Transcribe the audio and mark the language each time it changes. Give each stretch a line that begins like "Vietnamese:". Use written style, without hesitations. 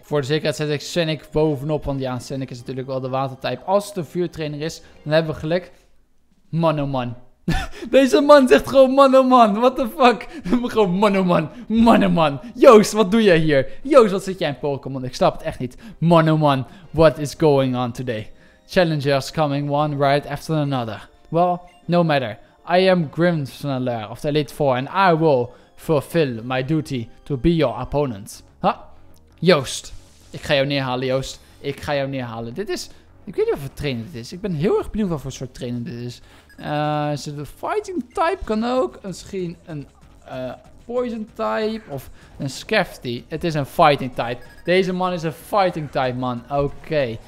Dutch: Voor de zekerheid zet ik Sennik bovenop. Want ja, Sennik is natuurlijk wel de watertype. Als het een vuurtrainer is, dan hebben we geluk. Man, oh man. Deze man zegt gewoon man oh man,
English: what the fuck.
Dutch: Gewoon man oh man, man oh man. Joost, wat doe jij hier? Joost, wat zit jij in Pokémon? Ik snap het echt niet.
English: Man oh man, what is going on today? Challengers coming one right after another. Well, no matter. I am Grimmsnarl of the Elite Four and I will fulfill my duty to be your opponent.
Dutch: Huh? Joost, ik ga jou neerhalen, Joost. Ik ga jou neerhalen. Dit is... Ik weet niet wat voor trainer dit is. Ik ben heel erg benieuwd wat voor soort trainer dit is. Is het een fighting type? Kan ook. Misschien een poison type. Of een scafty. Het is een fighting type. Deze man is een fighting type, man. Oké.